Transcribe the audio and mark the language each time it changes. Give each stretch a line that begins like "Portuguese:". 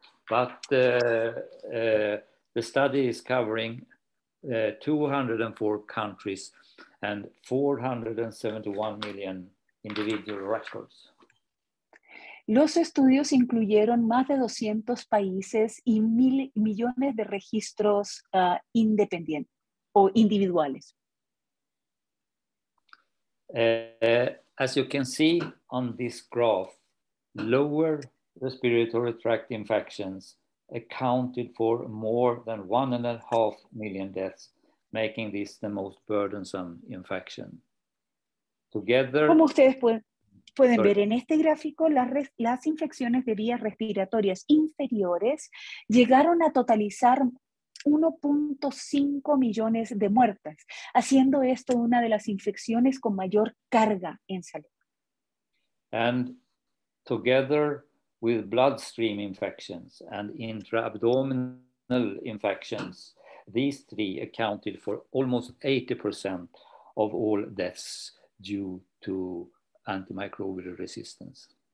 English: But the study is covering 204 countries and 471 million individual records.
Spanish: Los estudios incluyeron más de 200 países y mil millones de registros independientes o individuales.
English: As you can see on this graph, lower respiratory tract infections accounted for more than 1.5 million deaths, making this the most burdensome infection. Together,
Spanish: como ustedes pueden ver en este gráfico, las infecciones de vías respiratorias inferiores llegaron a totalizar 1.5 millones de muertes, haciendo esto una de las infecciones con mayor carga en salud.
English: And together with bloodstream infections and intra-abdominal infections, these three accounted for almost 80% of all deaths due to antimicrobial resistance.